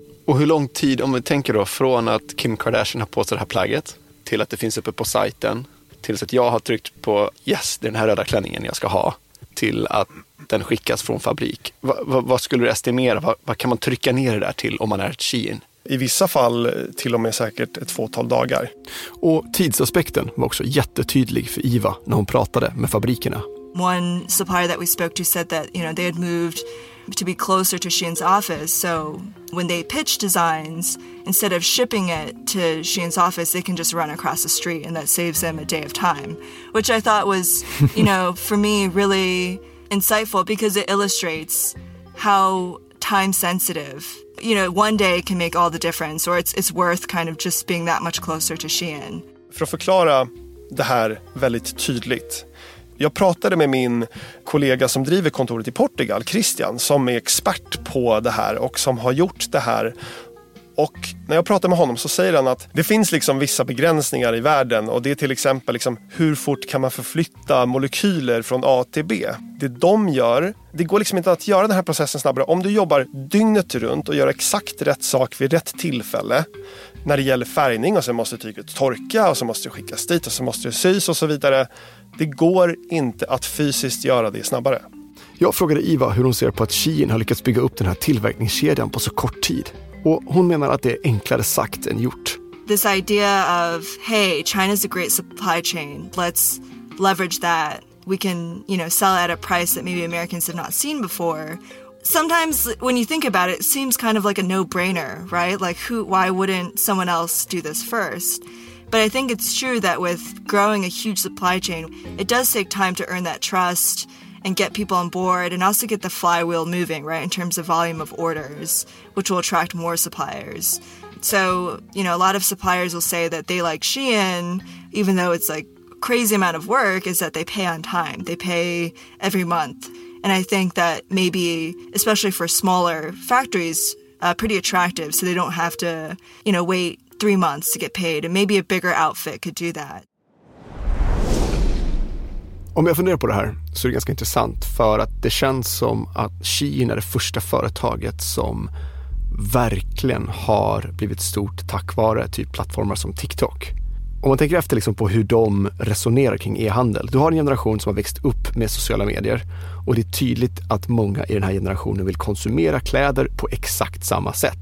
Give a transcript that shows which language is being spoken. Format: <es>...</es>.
<sv>Och hur lång tid, om vi tänker då, från att Kim Kardashian har på sig det här plagget till att det finns uppe på sajten, tills att jag har tryckt på yes, det är den här röda klänningen jag ska ha, till att den skickas från fabrik. Vad skulle du estimera? Vad kan man trycka ner det där till om man är ett Shein? i vissa fall till och med säkert ett fåtal dagar. Och tidsaspekten var också jättetydlig för Iva när hon pratade med fabrikerna.</sv> <en>One supplier that we spoke to said that, you know, they had moved to be closer to Shein's office, so when they pitch designs, instead of shipping it to Shein's office, they can just run across the street, and that saves them a day of time, which I thought was, you know, for me, really insightful, because it illustrates how time sensitive, you know, one day can make all the difference, or it's worth kind of just being that much closer to Shein.</en> <sv>För att förklara det här väldigt tydligt. Jag pratade med min kollega som driver kontoret i Portugal, Christian, som är expert på det här och som har gjort det här. Och när jag pratar med honom så säger han att det finns liksom vissa begränsningar i världen, och det är till exempel liksom hur fort kan man förflytta molekyler från A till B. Det de gör, det går liksom inte att göra den här processen snabbare om du jobbar dygnet runt och gör exakt rätt sak vid rätt tillfälle. När det gäller färgning, och sen måste tyget torka och så måste det skickas dit och så måste det sys och så vidare. Det går inte att fysiskt göra det snabbare. Jag frågade Iva hur hon ser på att Shein har lyckats bygga upp den här tillverkningskedjan på så kort tid. Och hon menar att det är enklare sagt än gjort.</sv> <en>This idea of, hey, China's a great supply chain. Let's leverage that. We can, you know, sell at a price that maybe Americans have not seen before. Sometimes when you think about it, it seems kind of like a no-brainer, right? Like, why wouldn't someone else do this first? But I think it's true that with growing a huge supply chain, it does take time to earn that trust and get people on board and also get the flywheel moving, right, in terms of volume of orders, which will attract more suppliers. So, you know, a lot of suppliers will say that they like Shein, even though it's like crazy amount of work, is that they pay on time. They pay every month. And I think that maybe, especially for smaller factories, pretty attractive, so they don't have to, you know, wait 3 months to get paid, and maybe a bigger outfit could do that.</en> <sv>Om jag funderar på det här så är det ganska intressant, för att det känns som att Shein är det första företaget som verkligen har blivit stort tack vare typ plattformar som TikTok. Om man tänker efter liksom på hur de resonerar kring e-handel. Du har en generation som har växt upp med sociala medier, och det är tydligt att många i den här generationen vill konsumera kläder på exakt samma sätt.</sv>